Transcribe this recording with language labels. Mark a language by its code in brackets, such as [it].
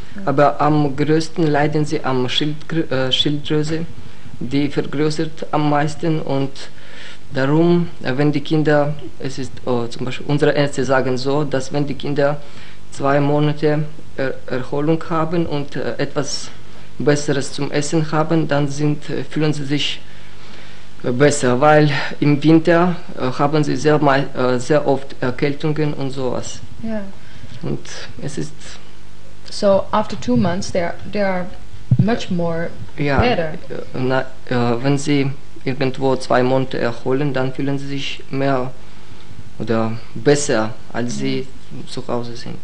[de] Aber am größten leiden sie am Schilddrüse, die vergrößert am meisten und darum, wenn die Kinder, es ist zum Beispiel, unsere Ärzte sagen so, dass wenn die Kinder 2 Monate Erholung haben und etwas Besseres zum Essen haben, dann fühlen sie sich besser, weil im Winter haben sie sehr oft Erkältungen und sowas. Ja. Und es ist [en] So after 2 months, they are much more better. [de] Wenn sie irgendwo 2 Monate erholen, dann fühlen sie sich mehr oder besser, als sie zu Hause sind.